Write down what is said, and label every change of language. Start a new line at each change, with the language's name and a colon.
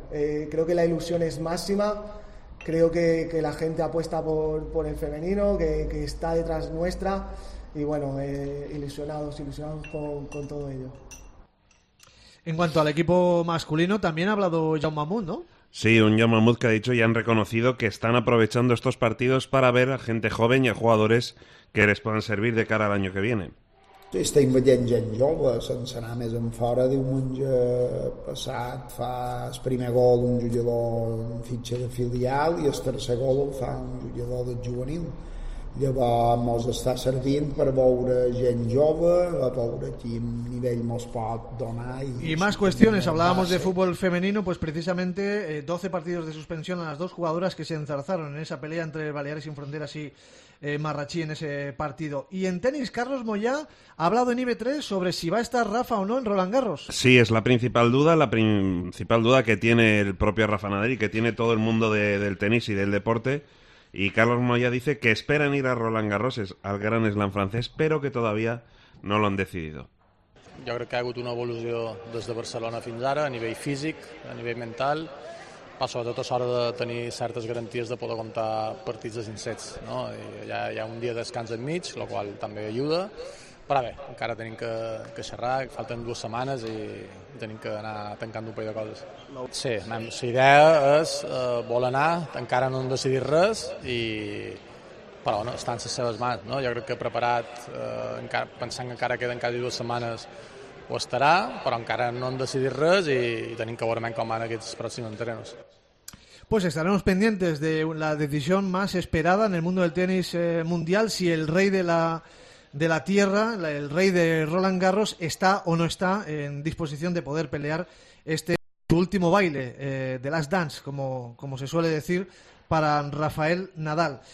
Spanish: Creo que la ilusión es máxima, creo que la gente apuesta por el femenino, que está detrás nuestra, y bueno, ilusionados con todo ello. En cuanto al equipo masculino, también ha hablado Jaume Amunt, ¿no? Sí, un Jaume Amunt que ha dicho y han reconocido que están aprovechando estos partidos para ver a gente joven y a jugadores que les puedan servir de cara al año que viene.
Catalan: Estem veient gent jove, sense anar més enfora. Diumenge passat fa el primer gol un jugador en fitxa de filial i el tercer gol el fa un jugador de juvenil. Llavors mos està servint per veure gent jove, a veure quin nivell mos pot donar.
Spanish: I más cuestiones, hablábamos de fútbol femenino, pues precisamente 12 partidos de suspensión a las dos jugadoras que se enzarzaron en esa pelea entre Baleares sin Fronteras y Marrachí en ese partido. Y en tenis, Carlos Moyá ha hablado en IB3 sobre si va a estar Rafa o no en Roland Garros. Sí, es la principal duda que tiene el propio Rafa Nadal y que tiene todo el mundo del tenis y del deporte. Y Carlos Moyá dice que esperan ir a Roland Garros, al Gran Slam francés, pero que todavía no lo han decidido.
Catalan: Jo crec que ha hagut una evolució des de Barcelona fins ara, a nivell físic, a nivell mental, però sobretot és hora de tenir certes garanties de poder comptar partits de 5 sets. No? Hi ha un dia de descans enmig, el qual també ajuda, però bé, encara tenim que xerrar, falten 2 setmanes i tenim que anar tancant un parell de coses. Sí, la idea és vol anar, encara no han decidit res, però no, està en les seves mans. No? Jo crec que preparat, encara, pensant que encara queden quasi 2 setmanes, ho estarà, però encara no han decidit res i tenim que veure com van aquests pròxims entrenos.
Spanish: Pues estaremos pendientes de la decisión más esperada en el mundo del tenis mundial, si el rey de la tierra, el rey de Roland Garros, está o no está en disposición de poder pelear este último baile, The Last Dance, como se suele decir, para Rafael Nadal.